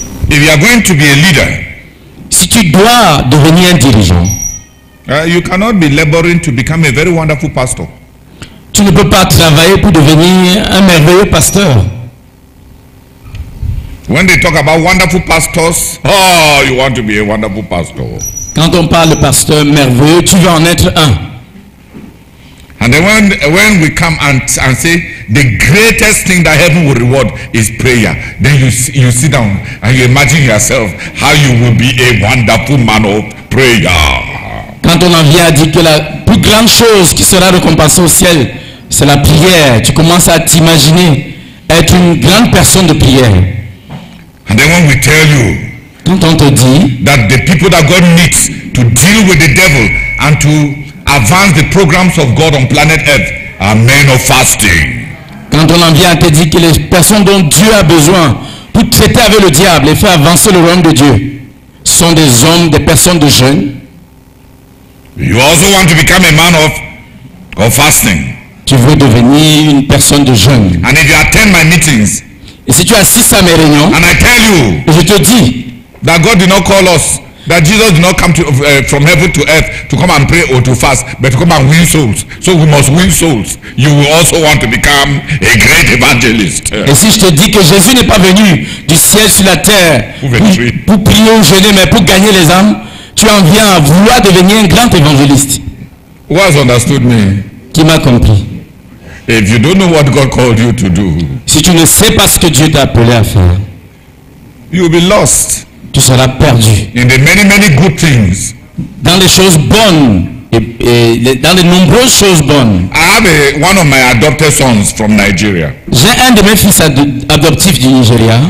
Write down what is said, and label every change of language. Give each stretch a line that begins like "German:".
English: If you are going to be a leader.
French: Si tu dois devenir un dirigeant.
English: You cannot be laboring to become a very wonderful pastor.
French: Tu ne peux pas travailler pour devenir un merveilleux pasteur.
English: When they talk about wonderful pastors, oh, you want to be a wonderful pastor.
French: Quand on parle de pasteur merveilleux, tu veux en être un.
English: And then when we come and say the greatest thing that heaven will reward is prayer, then you sit down and you imagine yourself how you will be a wonderful man of prayer.
French: Quand on en vient à dire que la plus plus grande chose qui sera récompensée au ciel, c'est la prière. Tu commences à t'imaginer être une grande personne de prière.
English: And then when we tell you,
French: quand on te dit
English: that the people that God needs to deal with the devil and to advance the programs of God on planet Earth are men of fasting.
French: Quand on en vient à te dire que les personnes dont Dieu a besoin pour traiter avec le diable et faire avancer le royaume de Dieu sont des hommes, des personnes de jeûne.
English: You also want to become a man of fasting.
French: Tu veux devenir une personne de jeûne.
English: And if you attend my meetings,
French: et si tu assistes à mes réunions,
English: and I tell you,
French: et je te dis
English: that God did not call us, that Jesus did not come to, from heaven to earth to come and pray or to fast, but to come and win souls. So we must win souls. You will also want to become a great evangelist.
French: Et si je te dis que Jésus n'est pas venu du ciel sur la terre pour prier ou jeûner, mais pour gagner les âmes, tu en viens à vouloir devenir un grand évangéliste.
English: Who has understood me?
French: Qui m'a compris?
English: If you don't know what God called you to do,
French: si tu ne sais pas ce que Dieu t'a appelé à faire,
English: you will be lost.
French: Tu seras perdu.
English: In the many, many good things,
French: dans les choses bonnes et dans les nombreuses choses bonnes.
English: I have one of my adopted sons from Nigeria.
French: J'ai un de mes fils adoptifs du Nigeria.